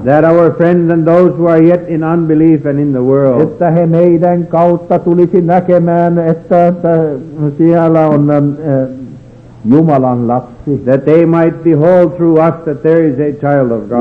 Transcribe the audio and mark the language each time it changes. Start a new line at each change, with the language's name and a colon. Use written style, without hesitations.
English: That our friends and those who are yet in unbelief and in the world.
Finnish: Että he meidän kautta tulisi näkemään, että siellä on Jumalan lapsi.
English: That they might behold through us that there is a child of God.